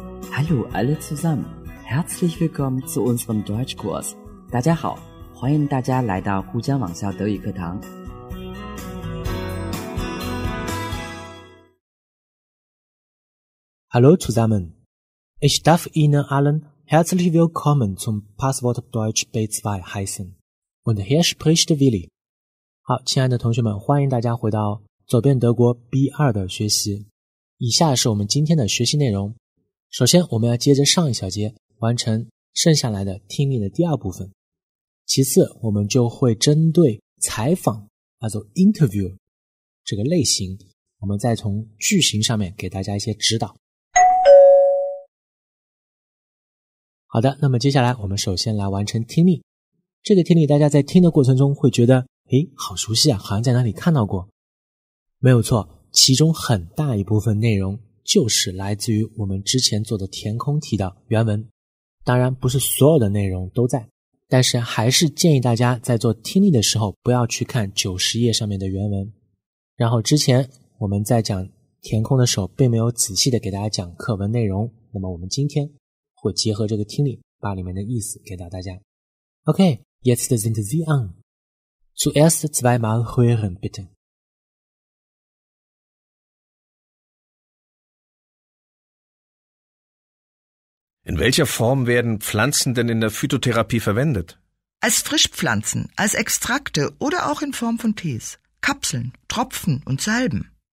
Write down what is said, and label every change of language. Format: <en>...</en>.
<de>Hallo alle zusammen, herzlich willkommen zu unserem Deutschkurs.</de> <zh>大家好，欢迎大家来到沪江网校德语课堂。</zh> <de>Hallo zusammen, ich darf Ihnen allen herzlich willkommen zum Passwort Deutsch B2 heißen. Und hier spricht Willi.</de> <zh>好，亲爱的同学们，欢迎大家回到走遍德国 B2 的学习。以下是我们今天的学习内容。首先我们要接着上一小节完成剩下来的听力的第二部分。其次我们就会针对采访叫做 interview 这个类型，我们再从句型上面给大家一些指导。好的，那么接下来我们首先来完成听力。这个听力大家在听的过程中会觉得诶，好熟悉啊，好像在哪里看到过。没有错，其中很大一部分内容就是来自于我们之前做的填空题的原文，当然不是所有的内容都在，但是还是建议大家在做听力的时候不要去看90页上面的原文。然后之前我们在讲填空的时候并没有仔细的给大家讲课文内容，那么我们今天会结合这个听力把里面的意思给到大家。</zh> <de>OK, jetzt sind Sie an. Zuerst zweimal hören bitte. In welcher Form werden Pflanzen denn in der Phytotherapie verwendet? Als Frischpflanzen, als Extrakte oder auch in Form von Tees, Kapseln, Tropfen und Salben.</de>